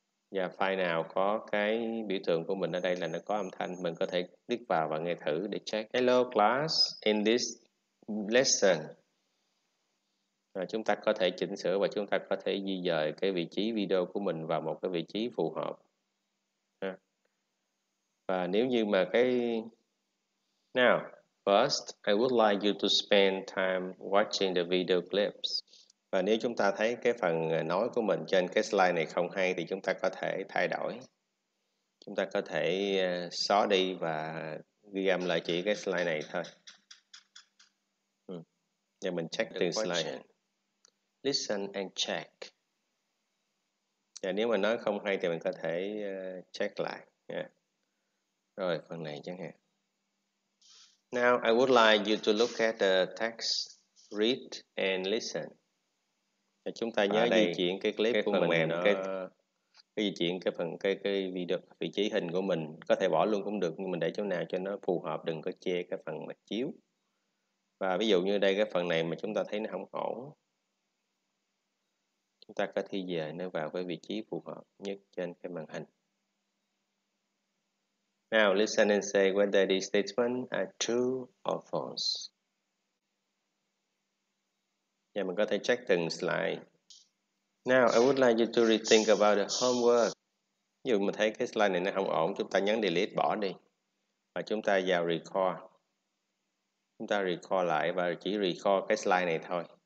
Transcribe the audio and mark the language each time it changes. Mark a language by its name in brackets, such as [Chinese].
[Vietnamese] Và file nào có cái biểu tượng của mình ở đây là nó có âm thanh, mình có thể click vào và nghe thử để check. [English] Hello class, in this lesson. [Vietnamese] Rồi chúng ta có thể chỉnh sửa và chúng ta có thể di dời cái vị trí video của mình vào một cái vị trí phù hợp. Và nếu như mà cái... [English] Now, first, I would like you to spend time watching the video clips. [Vietnamese] Và nếu chúng ta thấy cái phần nói của mình trên cái slide này không hay thì chúng ta có thể thay đổi. Chúng ta có thể xóa đi và ghi âm lại chỉ cái slide này thôi. Để mình check từng slide. [English] Listen and check. [Vietnamese] Và nếu mà nói không hay thì mình có thể check lại. Yeah. Rồi, phần này chẳng hạn. [English] Now, I would like you to look at the text, read and listen. [Vietnamese] Và chúng ta nhớ di chuyển cái clip cái của mình mềm, cái di chuyển cái phần cái video, vị trí hình của mình, có thể bỏ luôn cũng được, nhưng mình để chỗ nào cho nó phù hợp, đừng có che cái phần mặt chiếu. Và ví dụ như đây cái phần này mà chúng ta thấy nó không ổn, chúng ta có thể về nó vào cái vị trí phù hợp nhất trên cái màn hình. [English] Now listen and say whether these statements are true or false. [Vietnamese] Yeah, mình có thể check từng slide. [English] Now, I would like you to rethink about the homework. [Vietnamese] Dù mình thấy cái slide này nó không ổn, chúng ta nhấn delete bỏ đi. Và chúng ta vào record. Chúng ta record lại và chỉ record cái slide này thôi.